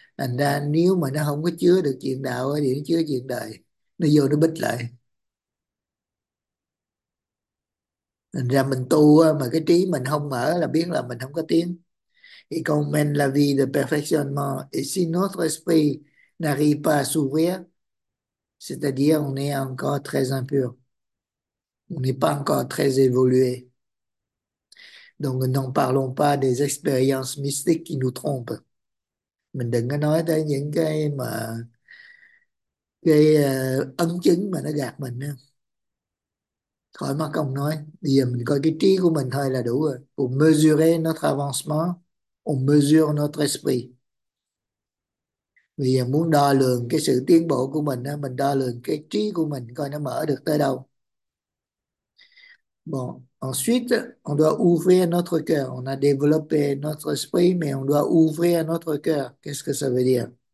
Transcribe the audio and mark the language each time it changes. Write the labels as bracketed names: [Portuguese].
[Vietnamese] Thành ra nếu mà nó không có chứa được chuyện đạo thì nó chứa chuyện đời, nó vô nó bích lại. Thành ra mình tu mà cái trí mình không mở là biết là mình không có tiến. [French] Et quand on mène la vie de perfectionnement, et si notre esprit n'arrive pas à s'ouvrir, c'est-à-dire on est encore très impur, on n'est pas encore très évolué. Donc, n'en parlons pas des expériences mystiques qui nous trompent. [Vietnamese] Mình đừng có nói tới những cái mà cái ấn chứng mà nó gạt mình nữa. Khỏi mắc công nói. Bây giờ mình coi cái trí của mình thôi là đủ rồi. [French] Pour mesurer notre avancement, on mesure notre esprit. [Vietnamese] Vì muốn đo lường cái sự tiến bộ của mình á, mình đo lường cái trí của mình coi nó mở được tới đâu. [French] Bon, ensuite, on doit ouvrir notre cœur. On a développé notre esprit, mais on doit ouvrir notre cœur. Qu'est-ce que ça veut dire?